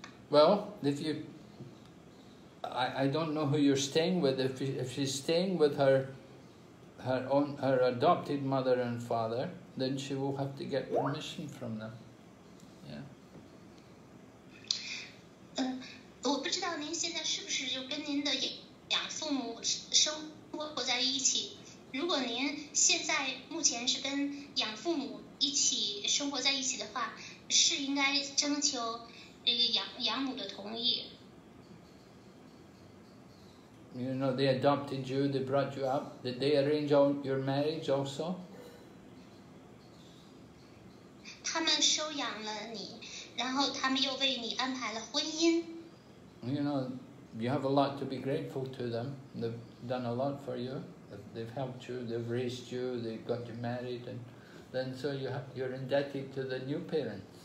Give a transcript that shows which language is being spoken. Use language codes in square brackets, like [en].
[en] Well, if you, I don't know who you're staying with. If she's staying with her adopted mother and father, then she will have to get permission from them. Yeah. [zh] 我不知道您现在是不是就跟您的养父母生活在一起。如果您现在目前是跟养父母一起生活在一起的话，是应该征求这个养母的同意。 [en] You know, they adopted you, they brought you up. Did they arrange all your marriage also? [zh] 他们收养了你，然后他们又为你安排了婚姻。 [en] You know, you have a lot to be grateful to them. They've done a lot for you. They've helped you, they've raised you, they've got you married, and then so you're indebted to the new parents.